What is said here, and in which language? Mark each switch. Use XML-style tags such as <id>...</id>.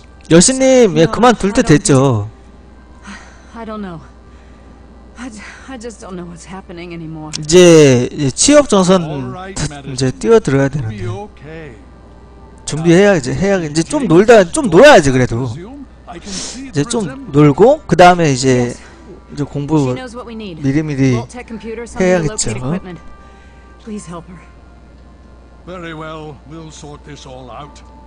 <ko>여신님, 예 그만 둘 때 됐죠.</ko> <en>I don't know. I just don't know what's happening anymore.</en> <ko>이제 취업 전선 이제 뛰어들어야 되는데 준비해야 이제 해야 이제 좀 놀다 좀 놀아야지 그래도 이제 좀 놀고 그 다음에 이제 공부 미리미리 해야겠죠.</ko> <en>Please help her. Very well, we'll sort this all out.</en>